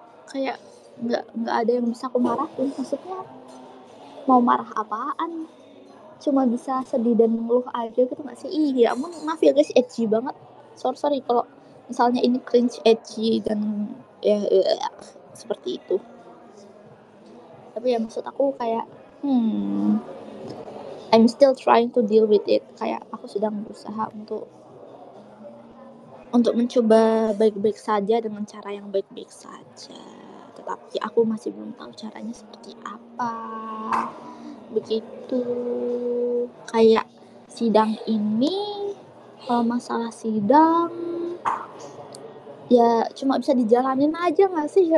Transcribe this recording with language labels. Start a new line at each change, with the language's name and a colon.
Indonesian: Kayak nggak ada yang bisa aku marahin. Maksudnya mau marah apaan? Cuma bisa sedih dan mengeluh aja gitu nggak sih? Ih, ya ampun, maaf ya guys, edgy banget. Sorry kalau misalnya ini cringe, edgy dan ya seperti itu. Tapi ya maksud aku kayak
English: I'm still trying to deal with it.
Indonesian: Kayak aku sedang berusaha untuk mencoba baik-baik saja dengan cara yang baik-baik saja. Tetapi aku masih belum tahu caranya seperti apa. Begitu. Kayak sidang ini, kalau masalah sidang ya cuma bisa dijalanin aja nggak sih?